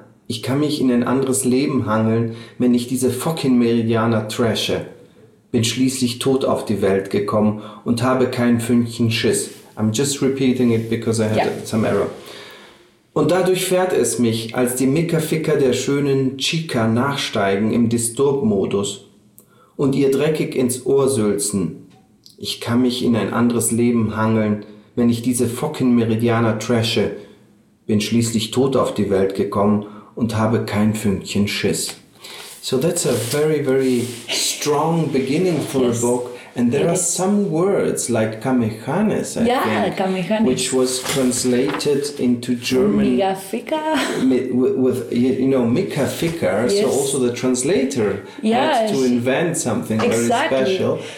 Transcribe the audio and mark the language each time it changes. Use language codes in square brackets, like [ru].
[de] Ich kann mich in ein anderes Leben hangeln, wenn ich diese [en] fucking [de] Meridianer trashe. Bin schließlich tot auf die Welt gekommen und habe kein Fünkchen Schiss. [en] I'm just repeating it because I had some error. [de] Und dadurch fährt es mich, als die Mickerficker der schönen Chica nachsteigen im [en] Disturb-Modus [de] und ihr dreckig ins Ohr sülzen. Ich kann mich in ein anderes Leben hangeln, wenn ich diese fucking Meridianer trashe. Bin schließlich tot auf die Welt gekommen und habe kein Fünkchen Schiss. [en] So that's a very, very strong beginning for a book. And there are some words like Kamehanes, I think, Kamehanes, which was translated into German. Mickerficker. With, you know, Mickerficker, so also the translator had to invent something very special.